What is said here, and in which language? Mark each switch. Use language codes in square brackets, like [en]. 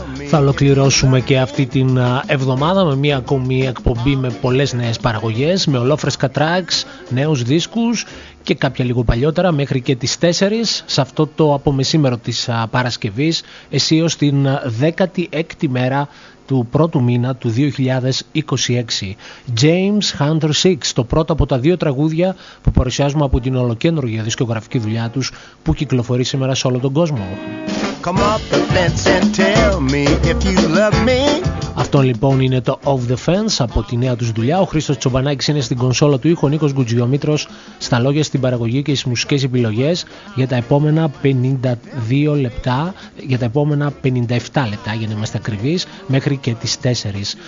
[el] Θα ολοκληρώσουμε και αυτή την εβδομάδα με μια ακόμη εκπομπή με πολλές νέες παραγωγές, με ολόφρεσκα tracks, νέους δίσκους και κάποια λίγο παλιότερα, μέχρι και τις 4, σε αυτό το απομεσήμερο της Παρασκευής, εσείως την 16η μέρα του πρώτου μήνα του 2026. James Hunter Six, το πρώτο από τα δύο τραγούδια που παρουσιάζουμε από την ολοκένουργια δισκογραφική δουλειά τους που κυκλοφορεί σήμερα σε όλο τον κόσμο. [en] Come up the fence and tell me if you love me. [el] Αυτό λοιπόν είναι το Off the Fence από τη νέα τους δουλειά. Ο Χρήστος Τσομπανάκης είναι στην κονσόλα του ήχου, ο Νίκος Γκουτζιομήτρος στα λόγια, στην παραγωγή και στις μουσικές επιλογές για τα επόμενα 52 λεπτά, για τα επόμενα 57 λεπτά για να είμαστε ακριβείς, μέχρι και τις 4.